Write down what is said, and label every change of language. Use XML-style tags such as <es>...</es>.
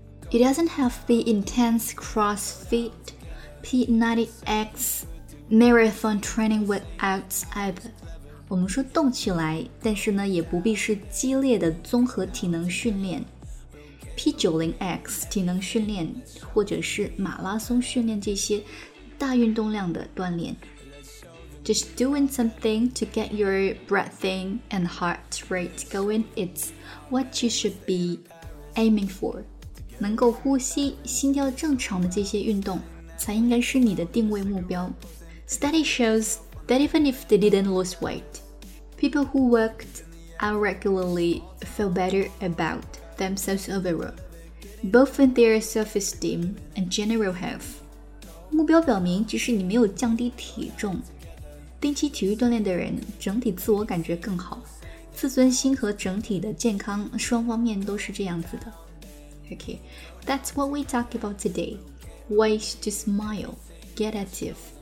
<en>It doesn't have to be intense CrossFit P90X Marathon training workout either。</en> <zh>我们说动起来，但是呢也不必是激烈的综合体能训练， P90X 体能训练或者是马拉松训练，这些大运动量的锻炼。</zh> <en>Just doing something to get your breathing and heart rate going, it's what you should be aiming for。</en> <zh>能够呼吸心跳正常的这些运动才应该是你的定位目标。</zh> <en>Study shows that even if they didn't lose weight, people who worked out regularly feel better about themselves overall, both in their self-esteem and general health.</en> <zh>目标表明，即使你没有降低体重，定期体育锻炼的人整体自我感觉更好，自尊心和整体的健康双方面都是这样子的。</zh> <en>Okay, that's what we talk about today. Ways to smile, get active.</en>